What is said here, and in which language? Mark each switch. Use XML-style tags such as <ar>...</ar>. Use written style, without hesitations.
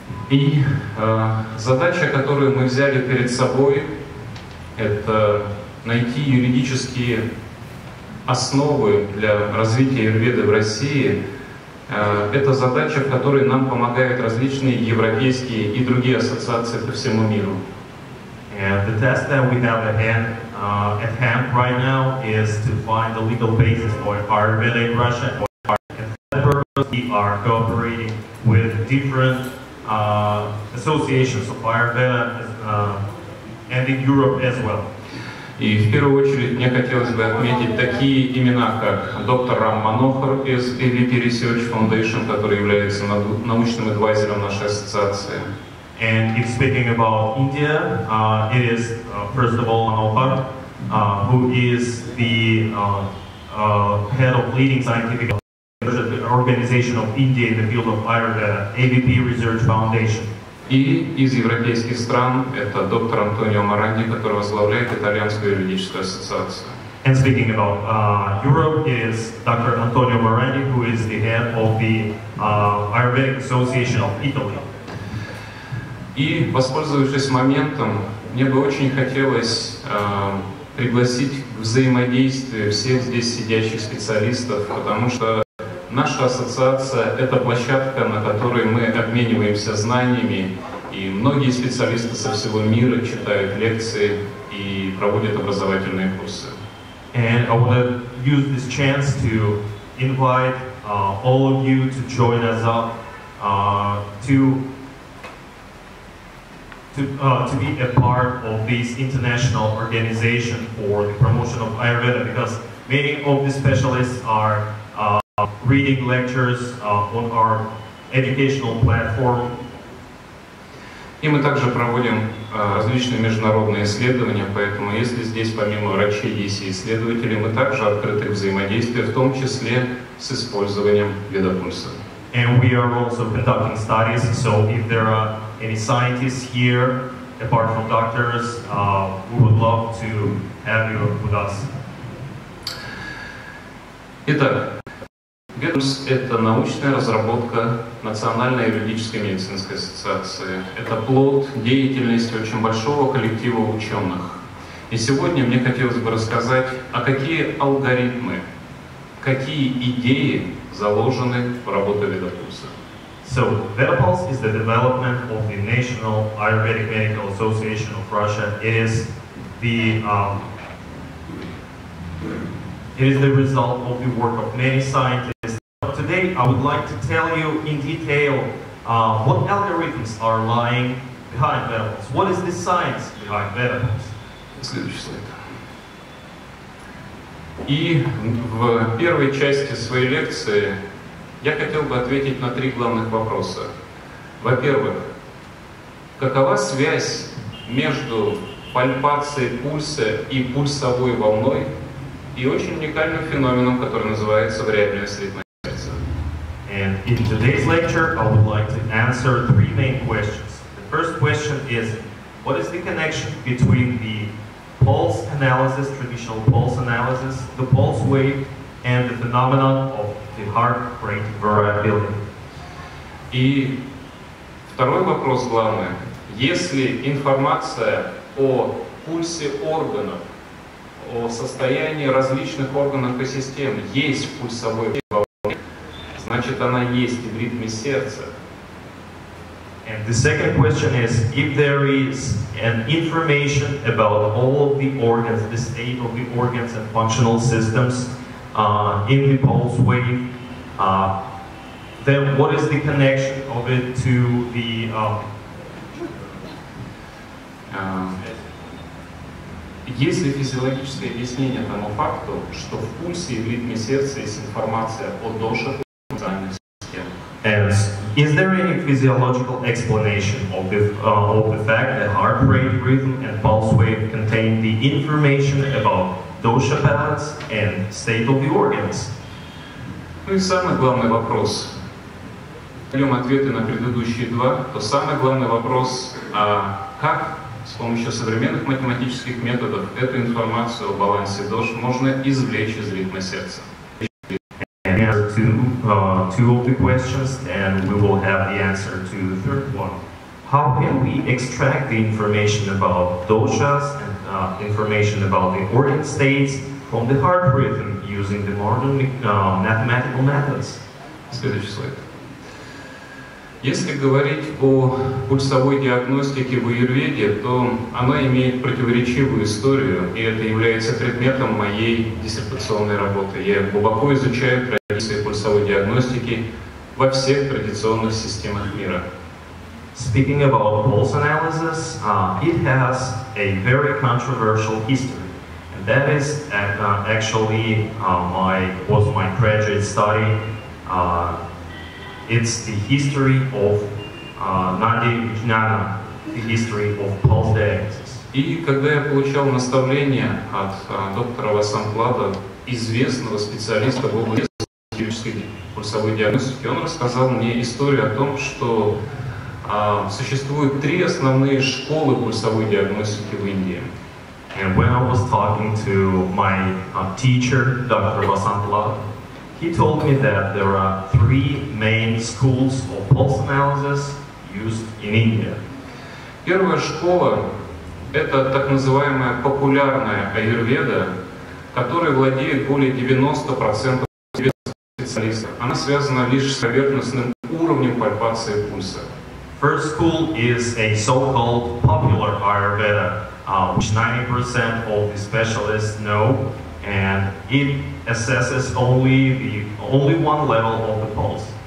<ru>И задача, которую мы взяли перед собой, это найти юридические основы для развития Аюрведы в России. Это задача, в которой нам помогают различные европейские и другие ассоциации по всему миру.</ru> <en>And the task that we have at hand right now is to find the legal basis for Aюрведа in Russia or Aюрведа. We are cooperating with different associations of Ayurveda and in Europe as well.</en> <ru>И в первую очередь мне хотелось бы отметить такие имена, как доктор Рам Манохар из AVP Research Foundation, который является научным адвайзером нашей ассоциации.</ru> <en>And if speaking about India, it is first of all Manohar, who is the head of leading scientific organization of India in the field of Ayurveda, AVP Research Foundation.</en> <ru>И из европейских стран это доктор Антонио Маранди, который возглавляет итальянскую юридическую ассоциацию.</ru> <en>And speaking about Europe, it is Dr. Antonio Maranghi, who is the head of the Ayurvedic Association of Italy.</en> <ru>И, воспользовавшись моментом, мне бы очень хотелось пригласить к взаимодействию всех здесь сидящих специалистов, потому что наша ассоциация — это площадка, на которой мы обмениваемся знаниями, и многие специалисты со всего мира читают лекции и проводят образовательные курсы.</ru> <en>And I want to use this chance to invite all of you to join us up to be a part of this international organization for the promotion of Ayurveda, because many of the specialists are reading lectures on our educational platform.</en> <ru>И мы также проводим различные международные исследования, поэтому если здесь помимо врачей есть исследователи, мы также открыты к взаимодействию, в том числе с использованием Ведапурса.</ru> <en>And we are also conducting studies, so if there are any scientists here, apart from doctors, we would love to have you with us.</en> <ru>Итак, Ведапурус — это научная разработка Национальной юридической медицинской ассоциации. Это плод деятельности очень большого коллектива ученых. И сегодня мне хотелось бы рассказать, а какие алгоритмы, какие идеи заложены в работу Ведапурса.</ru> <en>So VetaPulse is the development of the National Ayurvedic Medical Association of Russia. It is the result of the work of many scientists. But today I would like to tell you in detail what algorithms are lying behind VetaPulse. What is the science behind VetaPulse?</en> <ru>И в первой части своей лекции я хотел бы ответить на три главных вопроса. Во-первых, какова связь между пальпацией пульса и пульсовой волной и очень уникальным феноменом, который называется вариабельность ритма сердца?</ru> <en>And in today's lecture, I would like to answer three main questions. The first question is, what is the connection between the pulse analysis, traditional pulse analysis, the pulse wave, and the phenomenon of the heart rate variability.</en> <ru>И второй вопрос главный. Если информация о пульсе органов, о состоянии различных органов и систем есть в пульсовой волне, значит она есть и в ритме сердца.</ru> <en>And the second question is, if there is an information about all of the organs, the state of the organs and functional systems in the pulse wave, then what is the connection of it to the...</en> <ru>Есть ли физиологическое объяснение тому факту, что в пульсе и в ритме сердца есть информация о дошах и функциональных системах?</ru> <en>Is there any physiological explanation of the fact that heart rate, rhythm, and pulse wave contain the information about dosha paths and state of the organs?</en> <ru>Ну и самый главный вопрос. Берем ответы на предыдущие два. То самый главный вопрос, как с помощью современных математических методов эту информацию о балансе дош можно извлечь из ритма сердца?</ru> <en>Two of the questions, and we will have the answer to the third one. How can we extract the information about doshas and information about the organ states from the heart rhythm using the modern mathematical methods?</en> <ru>Следующий слайд. Если говорить о пульсовой диагностике в Аюрведе, то она имеет противоречивую историю, и это является предметом моей диссертационной работы. Я глубоко изучаю пульсовой диагностики во всех традиционных системах мира.</ru> <en>Speaking about pulse analysis, it has a very controversial history. And that is actually my graduate study. It's the history of Nadi Vijnana, the history of pulse diagnosis.</en> <ru>И когда я получал наставление от доктора Васанклада, известного специалиста в области пульсовой диагностики, он рассказал мне историю о том, что существуют три основные школы пульсовой диагностики в Индии.</ru> <en>And when I was talking to my teacher, Dr. Vasanthlad, he told me that there are three main schools of pulse analysis used in India.</en> <ru>Первая школа – это так называемая популярная аюрведа, которой владеет более 90% Она связана лишь с поверхностным уровнем пальпации пульса.</ru> <en>First school is a so-called popular Ayurveda, which 90% of the specialists know, and it assesses only one level of the pulse.</en>